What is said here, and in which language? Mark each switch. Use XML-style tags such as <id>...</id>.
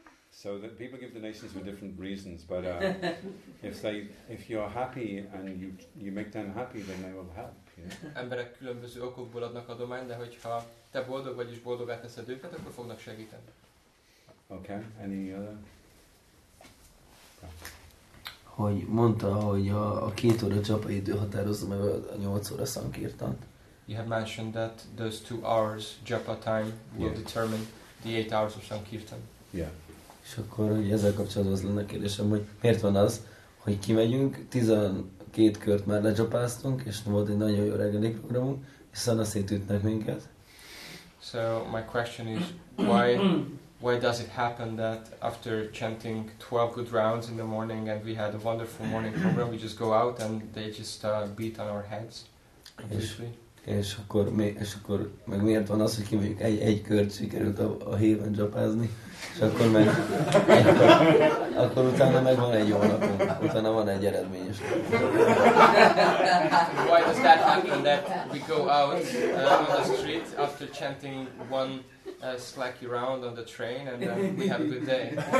<en>So that people give donations for different reasons, but if you're happy and you make them happy, then they will help.</en> <hu>Emberek különböző okokból adnak adományt, de hogyha te boldog vagy és boldogá teszed őket, akkor fognak segíteni.</hu> <en>Okay, any other?</en> <hu>Hogy mondta, hogy a 2 óra csapa idő határozza meg a 8 óra szankirtant.</hu> <en>You have mentioned that those 2 hours japa time will determine the 8 hours of sankirtan. Yeah.</en> <hu>És akkor hogy ezzel kapcsolatban az lenne kérdésem, hogy miért van az, hogy kimegyünk, 12 kört már lecsapáztunk, és volt egy nagyon jó reggeli programunk, és szana szétütnek minket.</hu> <en>So my question is, why does it happen that after chanting 12 good rounds in the morning and we had a wonderful morning program, we just go out and they just beat on our heads?</en> <hu>És akkor meg miért van az, hogy kimegyünk egy kört sikerült a héven csapázni, és akkor meg akkor utána meg van egy jó napunk, utána van egy eredmény is.</hu> <en>Why does that happen that we go out on the street after chanting one slacky round on the train and then we have a good day?</en>